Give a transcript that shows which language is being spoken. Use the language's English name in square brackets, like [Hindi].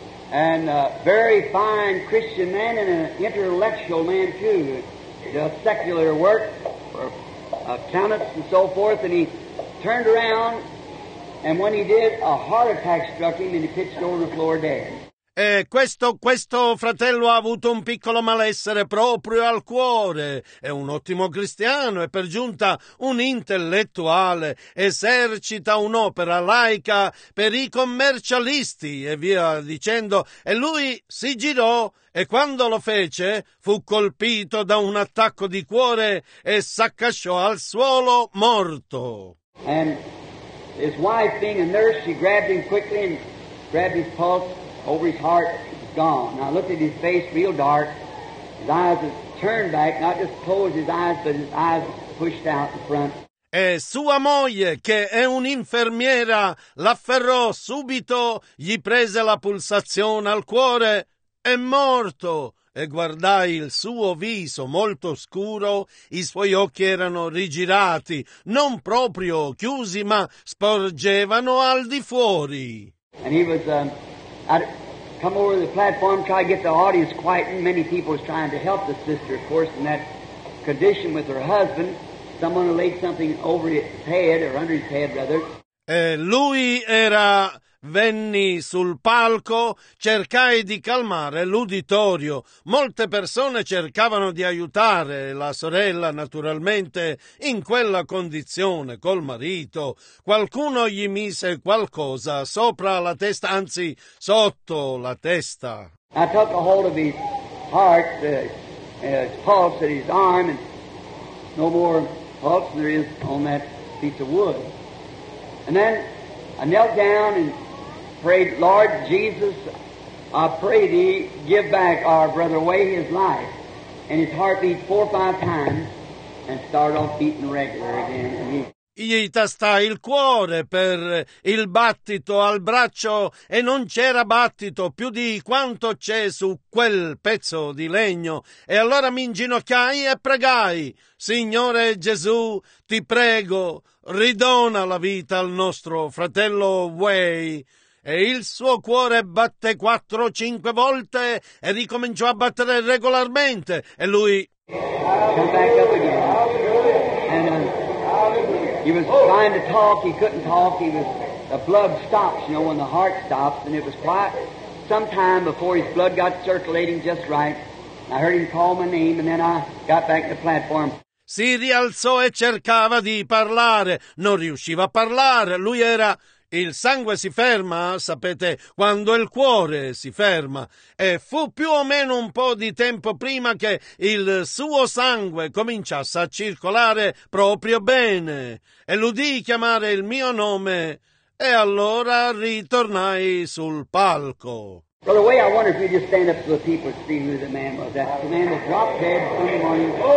[English] And a very fine Christian man and an intellectual man too. Does secular work for accountants and so forth. And he turned around, and when he did, a heart attack struck him and he pitched over the floor dead. [Italian] E questo fratello ha avuto un piccolo malessere proprio al cuore. È un ottimo cristiano, è per giunta un intellettuale, esercita un'opera laica per i commercialisti e via dicendo. E lui si girò e quando lo fece fu colpito da un attacco di cuore e s'accasciò al suolo morto. [English] And his wife being a nurse, she grabbed him quickly and grabbed his pulse. Over his heart, it's gone. And I looked at his face real dark. His eyes had turned back, not just closed his eyes, but his eyes pushed out the front. [Italian] E sua moglie, che è un'infermiera, l'afferrò subito, gli prese la pulsazione al cuore, è morto. E guardai il suo viso molto scuro, i suoi occhi erano rigirati, non proprio chiusi, ma sporgevano al di fuori. [English] And he was... I'd come over to the platform, try to get the audience quiet, and many people was trying to help the sister, of course, in that condition with her husband. Someone laid something over his head, or under his head, rather. [Italian] E lui era... Venni sul palco, cercai di calmare l'uditorio. Molte persone cercavano di aiutare la sorella, naturalmente, in quella condizione, col marito. Qualcuno gli mise qualcosa sopra la testa, anzi, sotto la testa. [English] I took a hold of his heart, his pulse at his arm, and no more pulse than there is on that piece of wood. And then I knelt down and prayed, Lord Jesus, I pray thee, give back our brother away his life. And his heart beat 4 or 5 times and started off beating regular again. [Italian] Gli tastai il cuore per il battito al braccio e non c'era battito più di quanto c'è su quel pezzo di legno. E allora mi inginocchiai e pregai, Signore Gesù, ti prego, ridona la vita al nostro fratello Wei. E il suo cuore batté 4 o 5 volte e ricominciò a battere regolarmente. E lui... [English] Come back up again. And he was trying to talk, he couldn't talk, he was... The blood stops, you know, when the heart stops. And it was quite some time before his blood got circulating just right. I heard him call my name and then I got back to the platform. [Italian] Si rialzò e cercava di parlare. Non riusciva a parlare, lui era... Il sangue si ferma, sapete, quando il cuore si ferma. E fu più o meno un po' di tempo prima che il suo sangue cominciasse a circolare proprio bene. E l'udì chiamare il mio nome e allora ritornai sul palco. [English] Brother Way, I wonder if you'd just stand up to the people and see who the man was. That's the man that dropped dead Sunday morning.